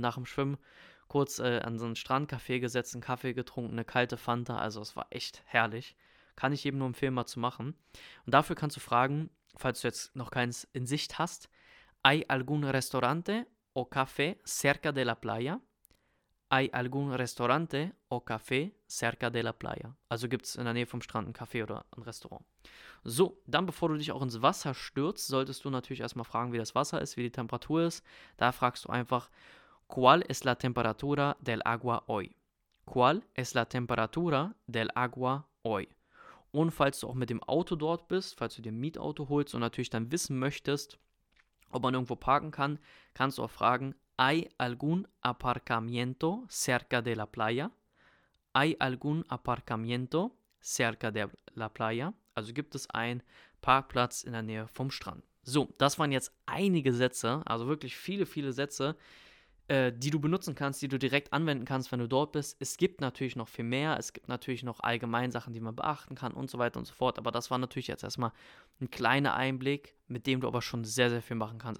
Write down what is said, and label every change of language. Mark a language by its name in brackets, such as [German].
[German] Nach dem Schwimmen kurz an so einen Strandcafé gesetzt, einen Kaffee getrunken, eine kalte Fanta, also es war echt herrlich. Kann ich eben nur empfehlen, mal zu machen. Und dafür kannst du fragen, falls du jetzt noch keins in Sicht hast, [Spanish] ¿Hay algún restaurante o café cerca de la playa? Hay algún restaurante o café cerca de la playa? [German] Also gibt es in der Nähe vom Strand ein Café oder ein Restaurant. So, dann bevor du dich auch ins Wasser stürzt, solltest du natürlich erstmal fragen, wie das Wasser ist, wie die Temperatur ist. Da fragst du einfach, [Spanish] ¿Cuál es la temperatura del agua hoy? ¿Cuál es la temperatura del agua hoy? [German] Und falls du auch mit dem Auto dort bist, falls du dir ein Mietauto holst und natürlich dann wissen möchtest, ob man irgendwo parken kann, kannst du auch fragen, [Spanish] ¿Hay algún aparcamiento cerca de la playa? ¿Hay algún aparcamiento cerca de la playa? [German] Also gibt es einen Parkplatz in der Nähe vom Strand. So, das waren jetzt einige Sätze, also wirklich viele, viele Sätze, die du benutzen kannst, die du direkt anwenden kannst, wenn du dort bist. Es gibt natürlich noch viel mehr. Es gibt natürlich noch allgemein Sachen, die man beachten kann und so weiter und so fort. Aber das war natürlich jetzt erstmal ein kleiner Einblick, mit dem du aber schon sehr, sehr viel machen kannst.